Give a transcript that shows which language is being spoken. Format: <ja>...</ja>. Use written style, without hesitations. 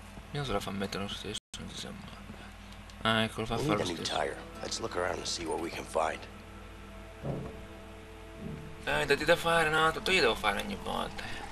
<it>Io se la fa mettere lo stesso, non si sa mai. Ah, ecco, lo fa fare lo stesso.</it> <en>Let's look around and see what we can find.</en> <it>Dai, dati da fare, no, tutto io devo fare ogni volta.</it>